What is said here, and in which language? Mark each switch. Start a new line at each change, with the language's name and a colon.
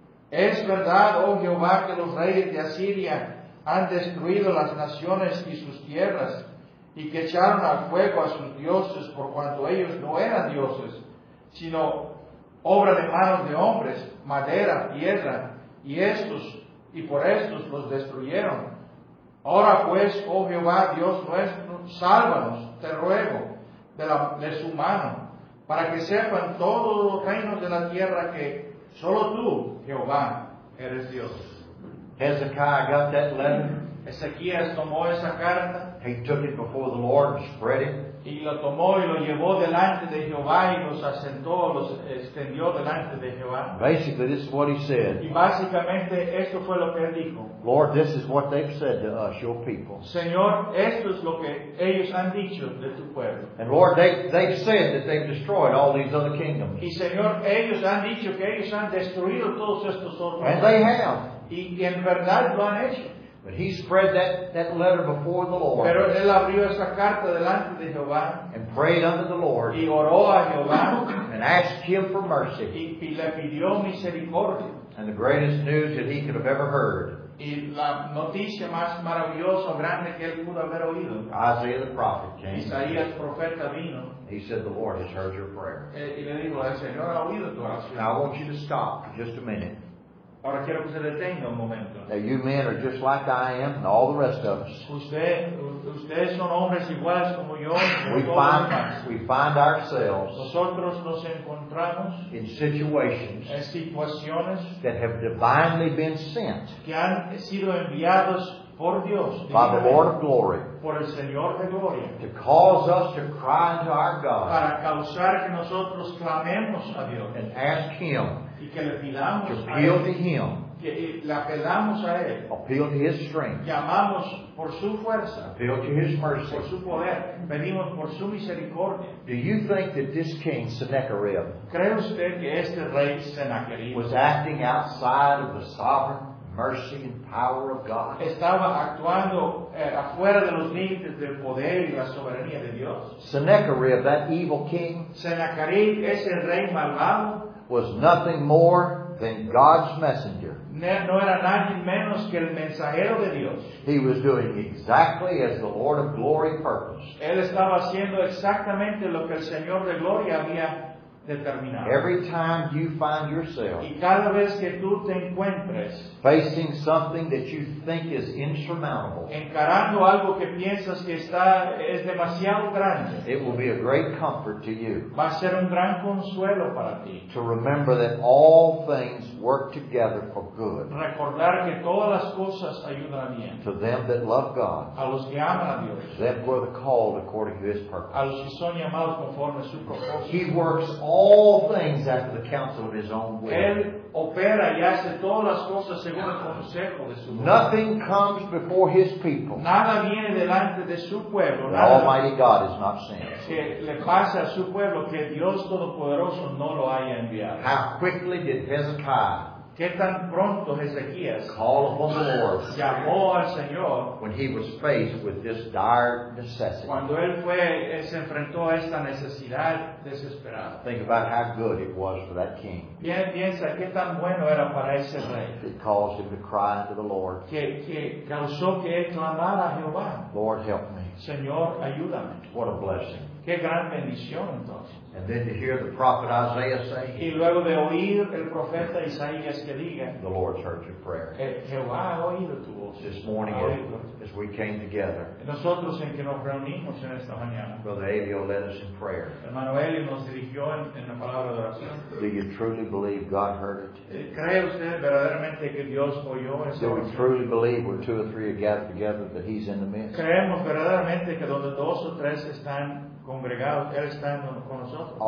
Spanish: ¿Es verdad, oh Jehová, que los reyes de Asiria han destruido las naciones y sus tierras, y que echaron al fuego a sus dioses, por cuanto ellos no eran dioses, sino obra de manos de hombres, madera, piedra, y por estos los destruyeron? Ahora pues, oh Jehová, Dios nuestro, sálvanos, te ruego, de su mano, para que sepan todos los reinos de la tierra que solo tú, Jehová, eres Dios.
English: Hezekiah got that letter.
Spanish: Ezequías tomó esa carta.
English: He took it before the Lord and spread it.
Spanish: Y lo tomó y lo llevó delante de Jehová y los asentó, los extendió delante de Jehová.
English: Basically, this is what he said.
Spanish: Y básicamente, esto fue lo que él dijo.
English: Lord, this is what they've said to us, your people.
Spanish: Señor, esto es lo que ellos han dicho de tu pueblo.
English: And Lord, they've said that they've destroyed all these other kingdoms.
Spanish: Y Señor, ellos han dicho que ellos han destruido todos estos otros.
English: And they have.
Spanish: Y en verdad lo han hecho.
English: But he spread that letter before the Lord.
Spanish: Pero él abrió esa carta delante de Jehová.
English: And prayed unto the Lord.
Spanish: Y oró a Jehová.
English: And asked him for mercy.
Spanish: Y le pidió misericordia.
English: And the greatest news that he could have ever heard.
Spanish: Y la noticia más maravillosa, grande que él pudo haber oído.
English: Isaiah the prophet came.
Spanish: Isaías profeta vino.
English: He said, the Lord has heard your prayer.
Spanish: Y le dijo, el Señor ha oído tu oración.
English: Now I want you to stop for just a minute.
Spanish: Ahora quiero que se detenga un momento.
English: Now you men are just like I am and all the rest of us.
Spanish: Ustedes son hombres iguales como yo.
English: We find ourselves.
Spanish: Nosotros nos encontramos
English: in situations.
Spanish: En situaciones
English: that have divinely been sent.
Spanish: Que han sido enviados por Dios.
English: By the Lord of glory.
Spanish: Por el Señor de gloria.
English: To cause us to cry unto our God.
Spanish: Para causar que nosotros clamemos a Dios.
English: And ask Him.
Spanish: Y que le pidamos
English: to appeal to him.
Spanish: Que le apelamos a él.
English: Appeal to his strength.
Spanish: Llamamos por su fuerza.
English: Appeal to his mercy.
Spanish: Por su poder. Pedimos por su misericordia.
English: Do you think that this king Sennacherib,
Spanish: ¿cree usted que este rey Sennacherib,
English: was acting outside of the sovereign mercy and power of God?
Spanish: Estaba actuando afuera de los límites del poder y la soberanía de Dios.
English: Sennacherib, that evil king,
Spanish: Sennacherib, ese rey malvado,
English: was nothing more than God's messenger.
Spanish: No era nadie menos que el mensajero de Dios.
English: He was doing exactly as the Lord of glory purposed.
Spanish: Él estaba haciendo exactamente lo que el Señor de gloria había determinado.
English: Every time you find yourself
Spanish: y cada vez que tú te encuentres
English: facing something that you think is insurmountable,
Spanish: encarando algo que piensas que es demasiado grande,
English: it will be a great comfort to you.
Spanish: Va a ser un gran consuelo para ti.
English: To remember that all things work together for good.
Spanish: Recordar que todas las cosas ayudan a bien.
English: To them that love God.
Spanish: A los que aman a Dios.
English: To them who are called according to His purpose.
Spanish: A los que son llamados conforme a su propósito.
English: He works all things after the counsel of His own will.
Spanish: Opera y hace todas las cosas según el consejo de su pueblo.
English: Nothing comes before His people.
Spanish: Nada viene delante de su pueblo.
English: The Almighty God is not sent.
Spanish: Que le pase a su pueblo que Dios Todopoderoso no lo haya enviado.
English: How quickly did Hezekiah?
Spanish: ¿Qué tan pronto Ezequías?
English: Call upon the Lord.
Spanish: Llamó al Señor.
English: When he was faced with this dire necessity.
Spanish: Cuando él fue, él se enfrentó a esta necesidad desesperada.
English: Think about how good it was for that king.
Spanish: Piensa qué tan bueno era para ese rey.
English: It caused him to cry to the Lord.
Spanish: Que causó que él clamara a Jehová.
English: Lord, help me.
Spanish: Señor, ayúdame.
English: What a blessing.
Spanish: Qué gran bendición, entonces.
English: And then to hear the prophet Isaiah say,
Spanish: y luego de oír el profeta Isaías que diga,
English: the Lord's heard your prayer.
Spanish: Jehová ha oído tu voz.
English: This morning, as we came together,
Spanish: nosotros en que nos reunimos en esta mañana,
English: Brother Elio led us in prayer.
Spanish: Hermano Elio nos dirigió en la palabra de oración.
English: Do you truly believe God heard it?
Spanish: ¿Cree usted verdaderamente que Dios oyó esa oración?
English: Do we truly believe we're two or three are gathered together that He's in the midst?
Spanish: ¿Creemos verdaderamente que donde dos o tres están congregados, Él está con nosotros?